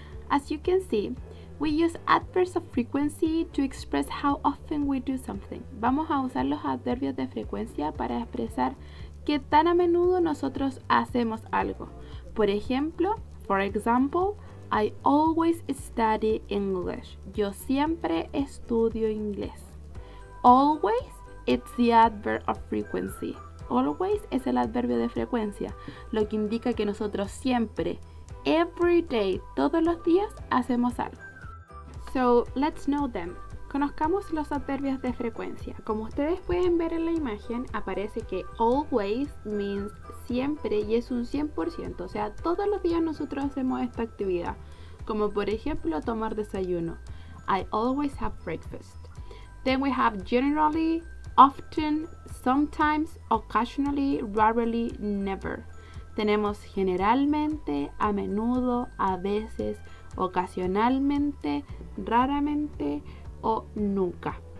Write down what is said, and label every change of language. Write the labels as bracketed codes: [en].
[en] As you can see, we use adverbs of frequency to express how often we do something. [es] Vamos a usar los adverbios de frecuencia para expresar qué tan a menudo nosotros hacemos algo. Por ejemplo, [en] for example, I always study English. [es] Yo siempre estudio inglés. [en] Always, it's the adverb of frequency. [es] Always es el adverbio de frecuencia, lo que indica que nosotros siempre, [en] every day, [es] todos los días, hacemos algo. [en] So, let's know them. [es] Conozcamos los adverbios de frecuencia. Como ustedes pueden ver en la imagen, aparece que always means siempre y es un 100%. O sea, todos los días nosotros hacemos esta actividad. Como por ejemplo, tomar desayuno. [en] I always have breakfast. Then we have generally, often, sometimes, occasionally, rarely, never. [es] Tenemos generalmente, a menudo, a veces, ocasionalmente, raramente o nunca.